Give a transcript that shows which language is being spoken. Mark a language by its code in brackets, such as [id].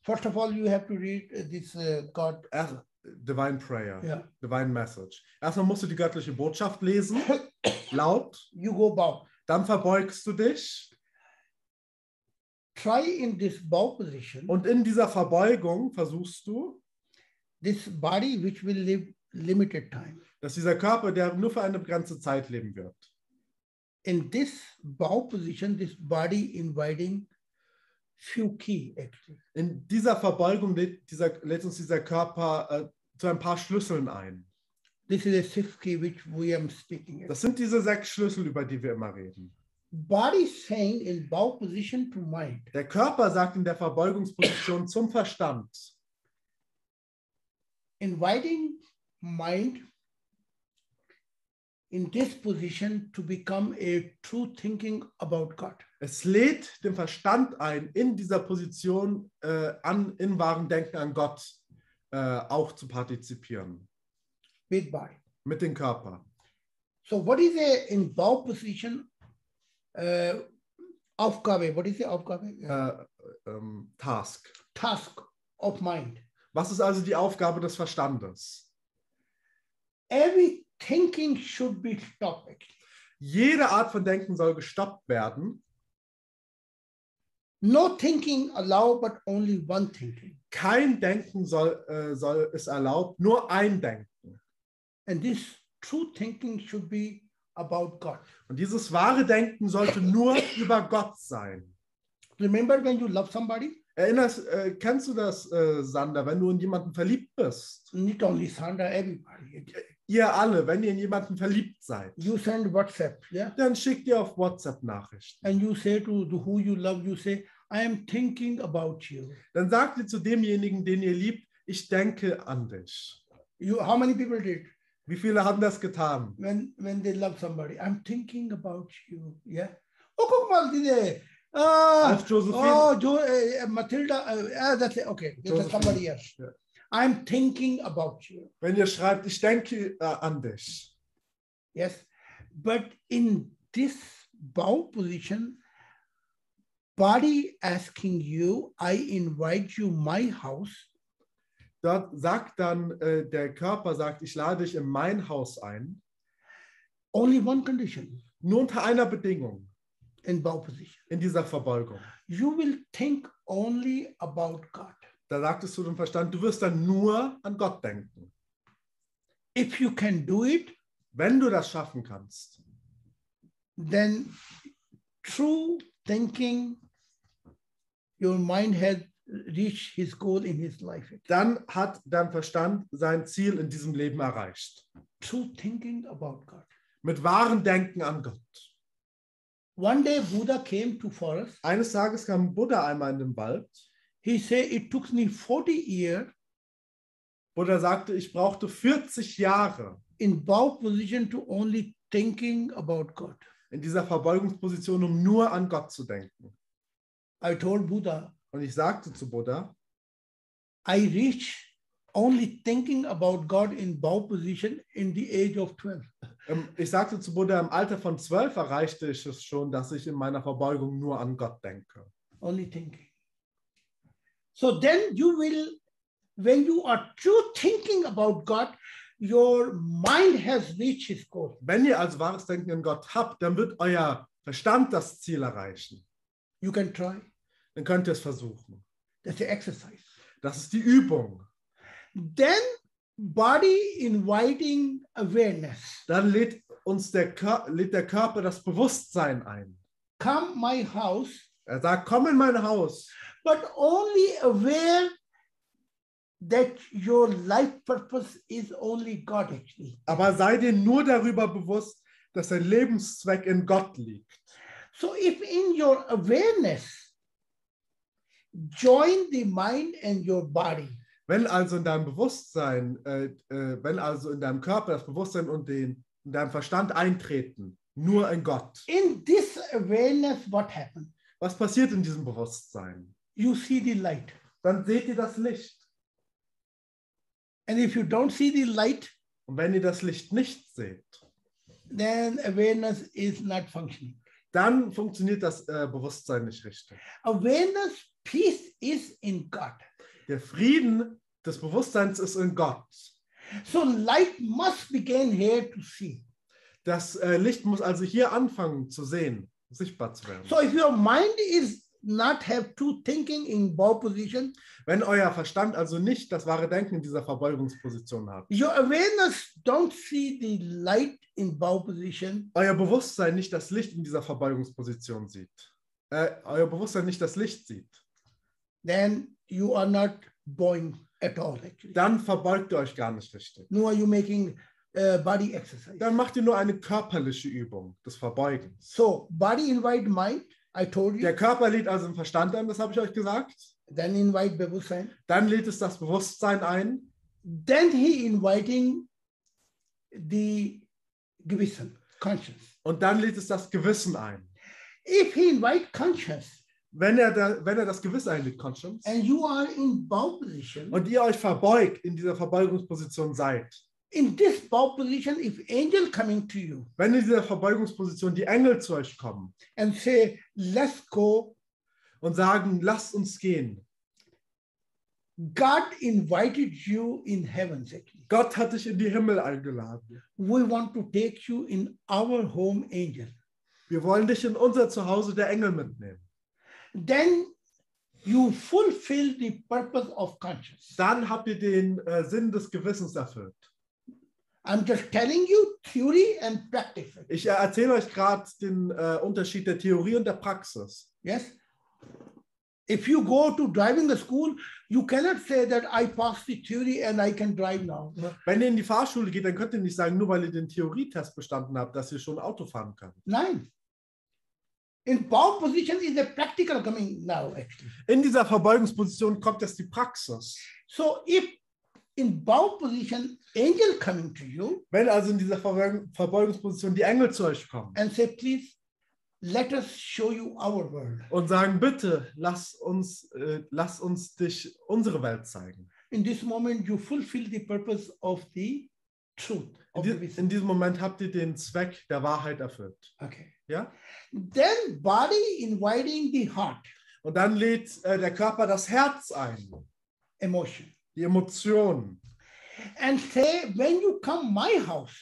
[en] First of all, you have to read this God. Divine prayer. Yeah. Divine message. [de] Erstmal musst du die göttliche Botschaft lesen, laut. [en] You go bow. [de] Dann verbeugst du dich. [en] Try in this bow position. [de] Und in dieser Verbeugung versuchst du, [en] this body which will live limited time. [de] Dass dieser Körper, der nur für eine begrenzte Zeit leben wird. [en] In this bow position, this body inviting few key actually. [de] In dieser Verbeugung lädt uns dieser Körper zu ein paar Schlüsseln ein. [en] This is a sixth key which we am speaking. [de] Das sind diese 6 Schlüssel, über die wir immer reden. [en] Body saying in bow position to mind. [de] Der Körper sagt in der Verbeugungsposition zum Verstand. [en] inviting mind in this position to become a true thinking about God. [de] Es lädt den Verstand ein, in dieser Position in wahren Denken an Gott auch zu partizipieren. [en] Big body. [de] Mit dem Körper. [en] So what is a in bow position Aufgabe, what is the Aufgabe? Task. Task of mind. [de] Was ist also die Aufgabe des Verstandes? [en] Every thinking should be stopped. [de] Jede Art von Denken soll gestoppt werden. [en] No thinking allowed, but only one thinking. [de] Kein Denken soll es erlaubt, nur ein Denken. [en] And this true thinking should be about God. [de] Und dieses wahre Denken sollte nur über Gott sein. [en] Remember when you love somebody? [de] Kennst du das, Sander, wenn du in jemanden verliebt bist? [en] Not only Sander, everybody. [de] Ihr alle, wenn ihr in jemanden verliebt seid. [en] You send WhatsApp, yeah? [de] Dann schickt ihr auf WhatsApp Nachrichten. [en] And you say to who you love, you say, I am thinking about you. [de] Dann sagt ihr zu demjenigen, den ihr liebt, ich denke an dich. [en] How many people did? [de] Wie viele haben das getan? [en] When they love somebody, I'm thinking about you, yeah? [de] Oh, guck mal, diese. [en] Matilda, okay, this is somebody else. I'm thinking about you. [de] Wenn ihr schreibt, ich denke an dich. [en] Yes, but in this bow position, body asking you, I invite you my house. [de] Dort sagt dann der Körper, sagt, ich lade dich in mein Haus ein. [en] Only one condition. [de] Nur unter einer Bedingung. [en] In bow position. [de] In dieser Verbeugung. [en] You will think only about God. [de] Da sagtest du dem Verstand, du wirst dann nur an Gott denken. [en] If you can do it, [de] wenn du das schaffen kannst, [en] then true thinking, your mind has reached his goal in his life. [de] Dann hat dein Verstand sein Ziel in diesem Leben erreicht. [en] True thinking about God. [de] Mit wahrem Denken an Gott. [en] One day Buddha came to forest. [de] Eines Tages kam Buddha einmal in den Wald. [en] He said it took me 40 years. [de] Buddha sagte, ich brauchte 40 Jahre. [en] In bow position to only thinking about God. [de] In dieser Verbeugungsposition, um nur an Gott zu denken. [en] I told Buddha. [de] Und ich sagte zu Buddha. [en] I reach only thinking about God in bow position in the age of 12. [de] Ich sagte zu Buddha, im Alter von 12 erreichte ich es schon, dass ich in meiner Verbeugung nur an Gott denke. [en] Only thinking. So then you will, when you are true thinking about God, your mind has reached its goal. [de] Wenn ihr also wahres Denken an Gott habt, dann wird euer Verstand das Ziel erreichen. [en] You can try. [de] Dann könnt ihr es versuchen. [en] That's the exercise. [de] Das ist die Übung. [en] Then body inviting awareness. [de] Dann lädt uns der Körper das Bewusstsein ein. [en] Come my house. [de] Er sagt, komm in mein Haus. [en] But only aware that your life purpose is only God actually. [de] Aber sei dir nur darüber bewusst, dass dein Lebenszweck in Gott liegt. [en] So if in your awareness join the mind and your body. [de] Wenn also in deinem Bewusstsein, wenn also in deinem Körper das Bewusstsein und in deinem Verstand eintreten, nur in Gott. [en] In this awareness, what happens? [de] Was passiert in diesem Bewusstsein? [en] You see the light. [de] Dann seht ihr das Licht. [en] And if you don't see the light, [de] und wenn ihr das Licht nicht seht, [en] then awareness is not functioning. [de] Dann funktioniert das Bewusstsein nicht richtig. [en] Awareness, peace is in God. [de] Der Frieden des Bewusstseins ist in Gott. [en] So light must begin here to see. [de] Das Licht muss also hier anfangen zu sehen, sichtbar zu werden. [en] So if your mind is not have true thinking in bow position, [de] wenn euer Verstand also nicht das wahre Denken in dieser Verbeugungsposition hat. [en] Your awareness don't see the light in bow position. [de] Euer Bewusstsein nicht das Licht in dieser Verbeugungsposition sieht. Euer Bewusstsein nicht das Licht sieht. [en] Then you are not bowing at all. Actually. [de] Dann verbeugt ihr euch gar nicht richtig. [en] Nor are you making body exercise. [de] Dann macht ihr nur eine körperliche Übung des Verbeugens. [en] So body invite mind. I told you. [de] Der Körper lädt also den Verstand ein. Das habe ich euch gesagt. [en] Then invite Bewusstsein. [de] Dann lädt es das Bewusstsein ein. [en] then he inviting the Gewissen, conscience. [de] Und dann lädt es das Gewissen ein. [en] If he invite conscience, [de] wenn er das Gewissen einlädt, conscience, [en] and you are in bow position, [de] und ihr euch verbeugt, in dieser Verbeugungsposition seid, [en] in this bow position, if angel coming to you, [de] wenn in dieser Verbeugungsposition die Engel zu euch kommen, [en] and say, let's go, [de] und sagen, lasst uns gehen. [en] God invited you in heaven, Zeki. [de] Gott hat dich in die Himmel eingeladen. [en] We want to take you in our home, angel. [de] Wir wollen dich in unser Zuhause der Engel mitnehmen. [en] Then you fulfill the purpose of conscience. [de] Dann habt ihr den Sinn des Gewissens erfüllt. [en] I'm just telling you theory and practice. [de] Ich erzähle euch gerade den Unterschied der Theorie und der Praxis. [en] Yes. If you go to driving the school, you cannot say that I passed the theory and I can drive now. [de] Wenn ihr in die Fahrschule geht, dann könnt ihr nicht sagen, nur weil ihr den Theorietest bestanden habt, dass ihr schon Auto fahren könnt. Nein. [en] In bow position is a practical coming now, actually. [de] In dieser Verbeugungsposition kommt jetzt die Praxis. [en] So if in bow position angel coming to you, [de] wenn also in dieser Verbeugungsposition die Engel zu euch kommen, [en] and say, please, let us show you our world. [de] Und sagen, bitte, lass uns dich unsere Welt zeigen. [en] In this moment you fulfill the purpose of the truth. [de] In diesem Moment habt ihr den Zweck der Wahrheit erfüllt. [en] Okay. [de] Ja? [en] Then body inviting the heart. [de] Und dann lädt der Körper das Herz ein. [en] Emotion. [de] Die Emotion. [en] And say, when you come my house.